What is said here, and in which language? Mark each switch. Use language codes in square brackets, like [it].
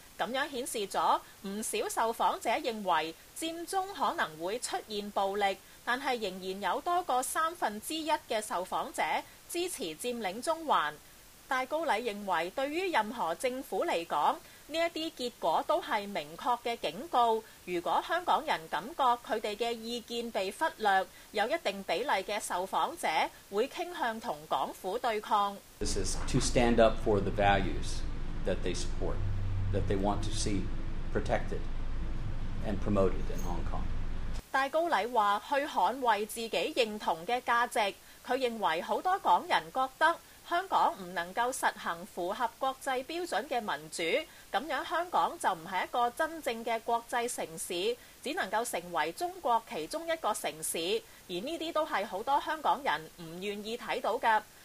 [zh] 這樣顯示了不少受訪者認為佔中可能會出現暴力，但是仍然有多過1/3的受訪者支持佔領中環。戴高禮認為，對於任何政府來說，這些結果都是明確的警告，如果香港人感覺他們的意見被忽略，有一定比例的受訪者會傾向與港府對抗。 [en] This is to stand up for the values that they support, that they want to see protected and promoted in Hong Kong. [zh] 戴高禮話去捍衛自己認同的價值，他認為很多港人覺得香港不能夠實行符合國際標準的民主，這樣香港就不是一個真正的國際城市，只能夠成為中國其中一個城市，而這些都是很多香港人不願意看到的。